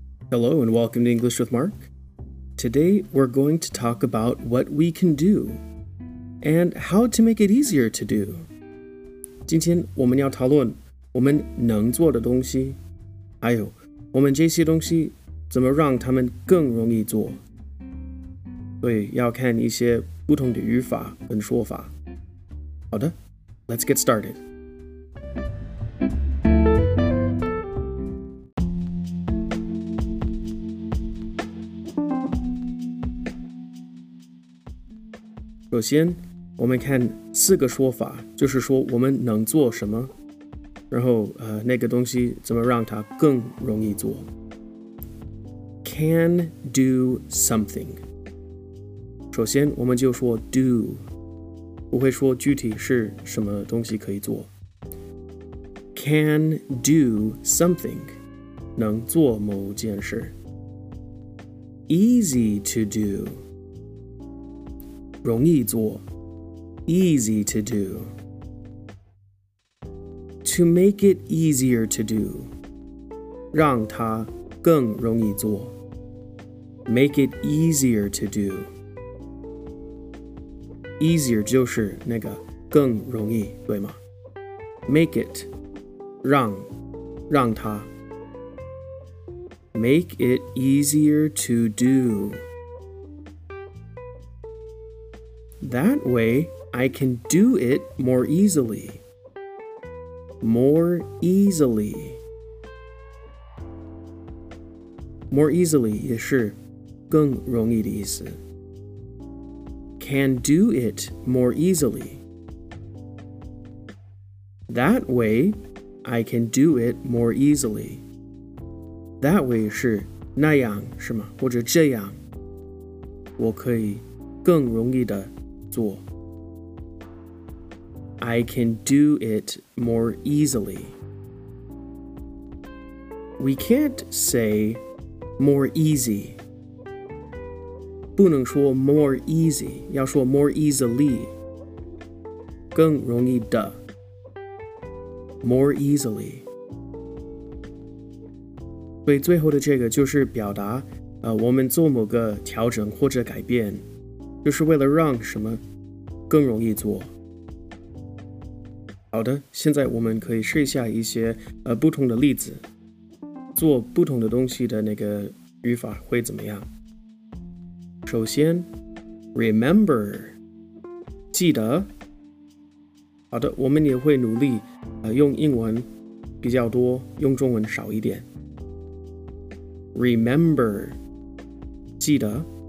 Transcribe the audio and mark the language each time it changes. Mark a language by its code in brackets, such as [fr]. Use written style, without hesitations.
[en] Hello and welcome to English with Mark. Today we're going to talk about what we can do and how to make it easier to do. [zh] 今天我们要讨论我们能做的东西，还有我们这些东西怎么让它们更容易做。所以要看一些不同的语法跟说法。好的， [en] let's get started. [zh] 首先我们看四个说法，就是说我们能做什么，然后那个东西怎么让它更容易做。 [en] Can do something. [zh] 首先我们就说 do, 不会说具体是什么东西可以做。 [en] Can do something. [zh] 能做某件事。 [en] Easy to do. [zh] 容易做 [en] easy to do. To make it easier to do, [zh] 让它更容易做 [en] make it easier to do. [zh] Easier 就是那个更容易，对吗？ [en] Make it, [zh] 让它 [en] make it easier to do. That way, I can do it more easily. More easily. More easily [zh] 也是更容易的意思。 [en] Can do it more easily. That way, I can do it more easily. That way [zh] 是那样是吗？或者这样，我可以更容易的做 [en] I can do it more easily. We can't say more easy. [zh] 不能说 [en] more easy, [zh] 要说 [en] more easily. [zh] 更容易的 [en] More easily. [zh] 所以最后的这个就是表达我们做某个调整或者改变就是为了让什么更容易做。好的，现在我们可以试一下一些不同的例子，做不同的东西的那个语法会怎么样？首先 ，remember， 记得。好的，我们也会努力用英文比较多，用中文少一点。 remember， 记得。